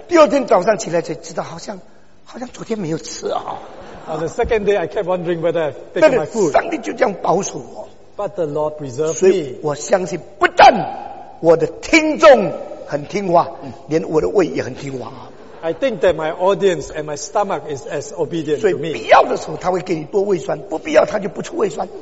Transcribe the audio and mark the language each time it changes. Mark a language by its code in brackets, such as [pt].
[zh] 第二天早上起来才知道，好像昨天没有吃啊。 [en] On the second day, I kept wondering whether I've taken my food. [zh] 但是上帝就这样保守我。 [en] But the Lord preserved me. [zh] 所以我相信，不但我的听众 很听话, 连我的胃也很听话。 [en] I think that my audience and my stomach is as obedient to me. [zh] 所以必要的时候他会给你多胃酸, 不必要他就不出胃酸。